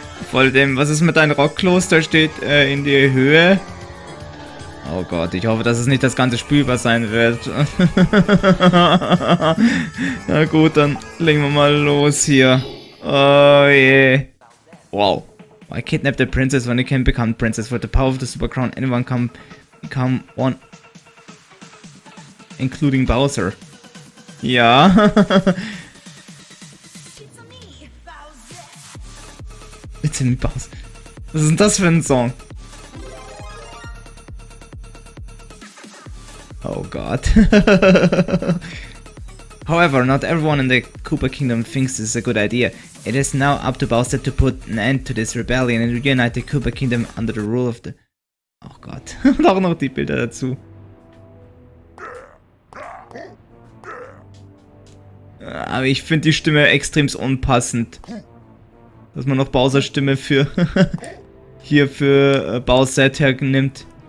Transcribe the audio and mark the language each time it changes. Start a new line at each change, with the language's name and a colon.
German: Vor allem, was ist mit deinem Rockkloster, steht in die Höhe. Oh Gott, ich hoffe, dass es nicht das ganze spürbar sein wird. Na gut, dann legen wir mal los hier. Oh je. Yeah. Wow.
English: I kidnapped the princess when I can become princess. With the power of the Super Crown, anyone can become one. Including Bowser. Ja. It's a me, Bowser.
German: Was ist denn das für ein Song? Oh Gott.
English: However, not everyone in the Koopa Kingdom thinks this is a good idea. It is now up to Bowser to put an end to this rebellion and reunite the Koopa Kingdom under the rule of the...
German: Oh Gott, und auch noch die Bilder dazu. Aber ich finde die Stimme extremst unpassend. Dass man noch Bowser Stimme für... hier für Bowser hernimmt.